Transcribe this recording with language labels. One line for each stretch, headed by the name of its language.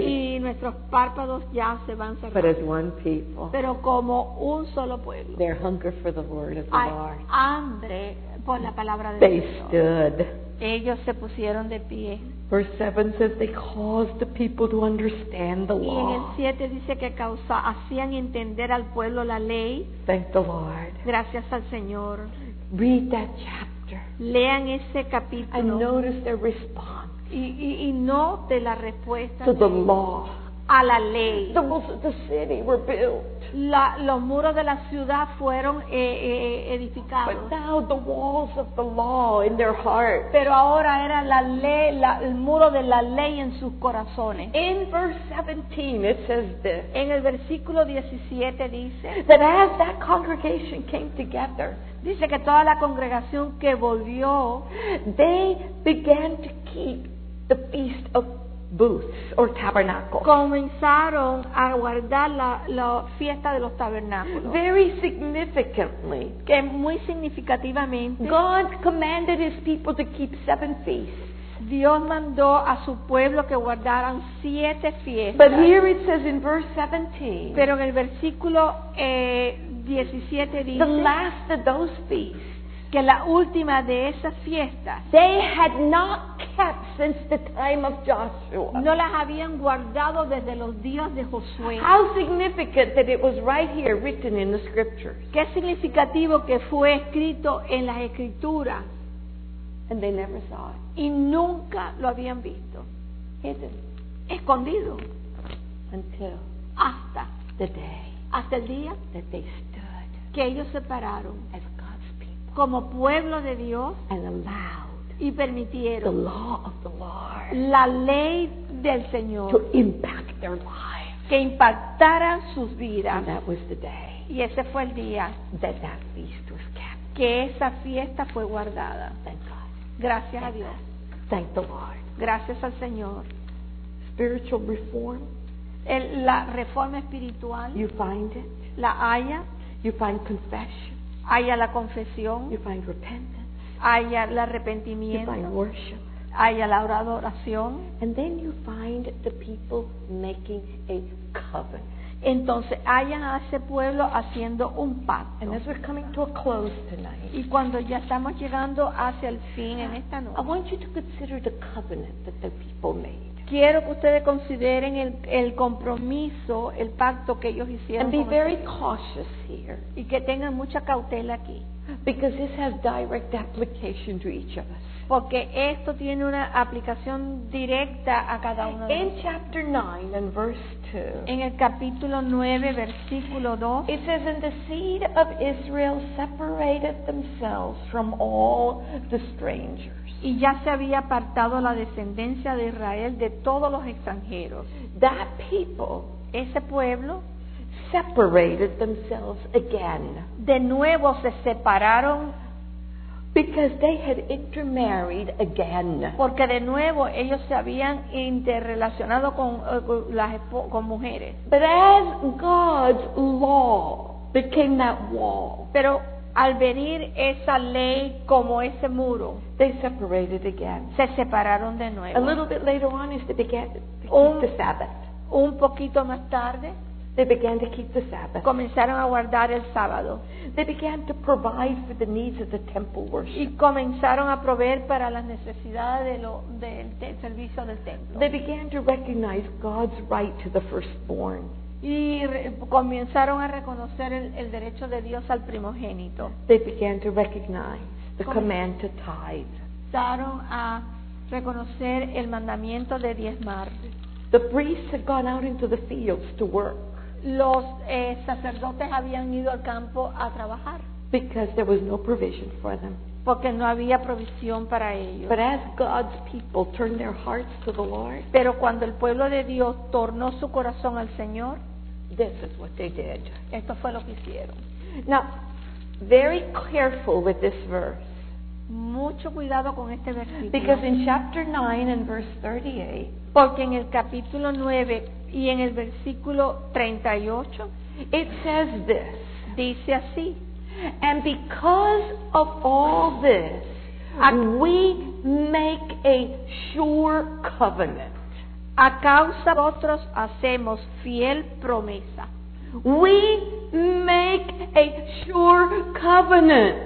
Spanish: Y nuestros párpados ya se van cerrando.
English: But as one people,
Spanish: pero como un solo pueblo,
English: their hunger for the word of the Lord.
Spanish: Hambre por la palabra de
English: they
Spanish: Dios.
English: Stood.
Spanish: Ellos se pusieron de pie.
English: Verse 7 says they caused the people to understand the law.
Spanish: Y en el 7 dice que causa, hacían entender al pueblo la ley.
English: Thank the Lord.
Spanish: Gracias al Señor.
English: Read that chapter.
Spanish: Lean ese capítulo.
English: And notice their response.
Spanish: Y note la respuesta
English: to the law.
Spanish: A la ley.
English: The walls of the city were built.
Spanish: Los muros de la ciudad fueron edificados.
English: But now the walls of the law in their heart.
Spanish: Pero ahora era la ley, el muro de la ley en sus corazones.
English: In verse 17 it says this.
Spanish: En el versículo 17 dice
English: that as that congregation came together,
Spanish: dice que toda la congregación que volvió,
English: they began to keep the feast of booths or tabernacles.
Spanish: Comenzaron a guardar la fiesta de los tabernáculos.
English: Very significantly,
Spanish: que muy significativamente,
English: God commanded his people to keep seven feasts.
Spanish: Dios mandó a su pueblo que guardaran siete fiestas.
English: But here it says in verse 17.
Spanish: Pero en el versículo 17 dice,
English: the last of those feasts,
Spanish: que la última de esas fiestas,
English: they had not kept since the time of Joshua.
Spanish: No las habían guardado desde los días de Josué.
English: How significant that it was right here written in the scriptures.
Spanish: Qué significativo que fue escrito en las escrituras.
English: And they never saw it.
Spanish: Y nunca lo habían visto.
English: Hidden.
Spanish: Escondido.
English: Until
Spanish: hasta
English: the day.
Spanish: Hasta el día
English: that they stood.
Spanish: Que ellos se pararon.
English: As
Spanish: como pueblo de Dios y permitieron
English: the law of the Lord
Spanish: la ley del Señor
English: to impact their lives.
Spanish: Que impactara sus vidas.
English: And that was the day
Spanish: y ese fue el día
English: that feast was kept.
Spanish: Que esa fiesta fue guardada.
English: Thank God.
Spanish: Gracias
English: Thank
Spanish: a Dios.
English: Thank the Lord.
Spanish: Gracias al Señor.
English: Spiritual reform.
Spanish: La reforma espiritual.
English: You find it.
Spanish: La haya.
English: You find confession.
Spanish: Haya la confesión.
English: You find repentance.
Spanish: Haya el arrepentimiento.
English: You find worship.
Spanish: Haya la adoración.
English: And then you find the people making a covenant.
Spanish: Entonces haya a ese pueblo haciendo un pacto.
English: And as we're coming to a close tonight,
Spanish: y cuando ya estamos llegando hacia el fin en esta noche,
English: I want you to consider the covenant that the people made.
Spanish: Quiero que ustedes consideren el compromiso, el pacto que ellos hicieron.
English: And be very cautious here.
Spanish: Y que tengan mucha cautela aquí.
English: Because this has direct application to each of us.
Spanish: Porque esto tiene una aplicación directa a cada uno de nosotros.
English: In chapter 9 and verse 2.
Spanish: En el capítulo 9, versículo 2.
English: It says, and the seed of Israel separated themselves from all the strangers.
Spanish: Y ya se había apartado la descendencia de Israel de todos los extranjeros.
English: That people,
Spanish: ese pueblo,
English: separated themselves again.
Spanish: De nuevo se separaron.
English: Because they had intermarried again.
Spanish: Porque de nuevo ellos se habían interrelacionado con mujeres.
English: But as God's law became that wall.
Spanish: Pero al venir esa ley como ese muro,
English: they separated again.
Spanish: Se separaron de nuevo.
English: A little bit later on is they began to keep the Sabbath.
Spanish: Un poquito más tarde,
English: they began to keep the Sabbath.
Spanish: Comenzaron a guardar el sábado.
English: They began to provide for the needs of the temple worship.
Spanish: Y comenzaron a proveer para las necesidades del servicio del templo.
English: They began to recognize God's right to the firstborn.
Spanish: Y comenzaron a reconocer el derecho de Dios al primogénito.
English: They began to recognize the command to tithe.
Spanish: Comenzaron a reconocer el mandamiento de diezmar.
English: The priests had gone out into the fields to work.
Spanish: Los sacerdotes habían ido al campo a trabajar.
English: Because there was no provision for them.
Spanish: Porque no había provisión para ellos.
English: But as God's people turned their hearts to the Lord,
Spanish: pero cuando el pueblo de Dios tornó su corazón al Señor,
English: this is what they did.
Spanish: Esto fue lo que hicieron.
English: Now, very careful with this verse.
Spanish: Mucho cuidado con este versículo.
English: Because in chapter 9 and verse 38,
Spanish: porque en el capítulo 9 y en el versículo 38,
English: it says this.
Spanish: Dice así.
English: And because of all this, we make a sure covenant.
Spanish: A causa de nosotros hacemos fiel promesa.
English: We make a sure covenant.